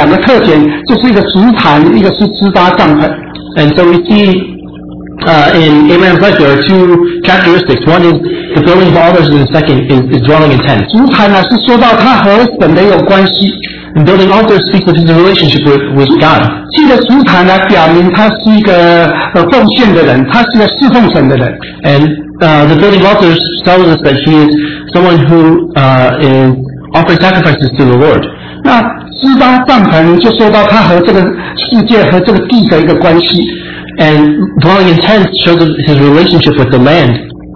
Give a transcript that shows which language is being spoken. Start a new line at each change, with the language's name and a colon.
Chinese: 所以从亚伯拉罕开始前面这段历史，我们看见他身上有两个特点，就是一个竹坛，一个是支搭帐篷。
English: And so we see in Abraham's life there are two characteristics. One is the building of altars, and the second is dwelling in tents.
Chinese: 竹坛呢是说到他和神的有关系。
English: And building altars speaks of his relationship with God.
Chinese: 这个竹坛呢表明他是一个奉献的人，他是个侍奉神的人。
English: And the building altars tells us that he is someone who offers sacrifices to the Lord.
Chinese: 那支搭帐篷就说到他和这个世界和这个地的一个关系。
English: And dwelling in tents shows his relationship with the land.